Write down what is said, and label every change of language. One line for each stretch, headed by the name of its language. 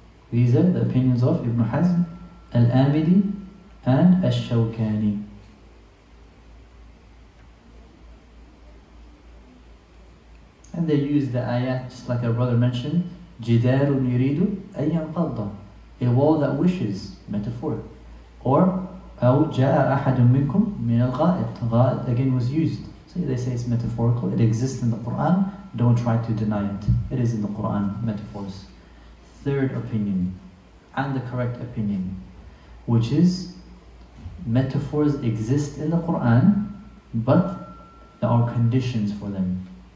English: These are the opinions of Ibn Hazm, Al-Amidi, and Al-Shawkani. And they use the ayat, just like our brother mentioned,
Arabic: جِدَارٌ يُرِيدُ أَن يَنْقَضَّ,
English: a wall that wishes, metaphor.
Arabic: Or أَوْ جَاءَ أَحَدٌ مِنْكُمْ مِنَ الْغَائِبِ, غَائِبٌ
English: again was used. So they say it's metaphorical, it exists in the Quran, don't try to deny it. It is in the Quran, metaphors. Third opinion, and the correct opinion, which is metaphors exist in the Quran, but there are conditions for them.